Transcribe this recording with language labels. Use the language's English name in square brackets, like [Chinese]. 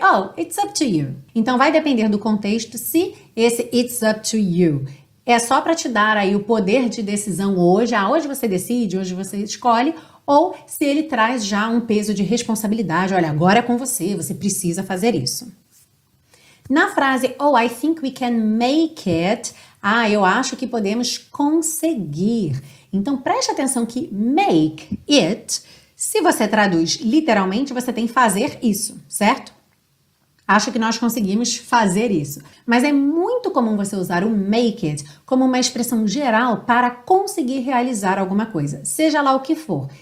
[English] Oh, it's up to you. [Portuguese] Então, vai depender do contexto se esse it's up to you é só para te dar aí o poder de decisão hoje. Ah, hoje você decide, hoje você escolhe. Ou se ele traz já um peso de responsabilidade. Olha, agora é com você, você precisa fazer isso. Na frase, [English] oh, I think we can make it. [Portuguese] Ah, eu acho que podemos conseguir. Então, preste atenção que make it, se você traduz literalmente, você tem fazer isso, certo? Acho que nós conseguimos fazer isso. Mas é muito comum você usar o make it como uma expressão geral para conseguir realizar alguma coisa, seja lá o que for.